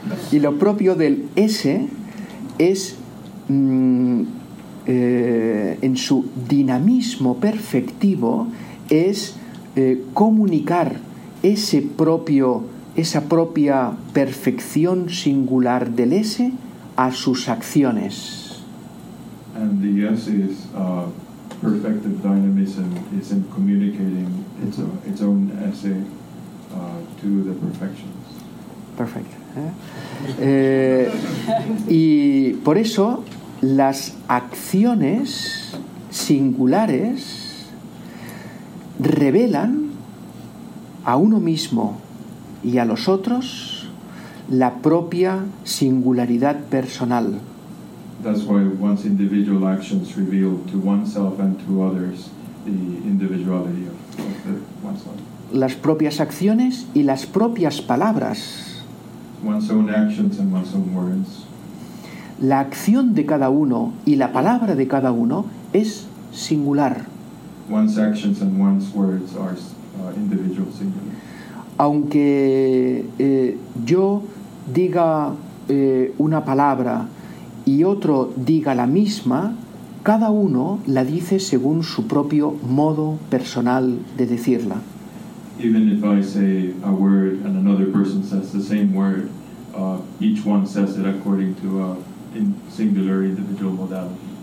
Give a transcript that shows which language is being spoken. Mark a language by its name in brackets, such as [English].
[Spanish] y lo propio del ese es en su dinamismo perfectivo es comunicar esa propia perfección singular del ese a sus acciones. [English] And the ese's perfective dynamism is in communicating its own ese to the perfections. Perfect. [Spanish] Y por eso las acciones singulares revelan a uno mismo y a los otros la propia singularidad personal. [English] That's why one's individual actions reveal to oneself and to others the individuality of oneself. [Spanish] Las propias acciones y las propias palabras. [English] One's own actions and one's own words. [Spanish] La acción de cada uno y la palabra de cada uno es singular. [English] One's actions and one's words are individual, singular. [Spanish] Aunque yo diga una palabra y otro diga la misma, cada uno la dice según su propio modo personal de decirla. [English] Even if I say a word and another person says the same word, each one says it according to a singular individual modality.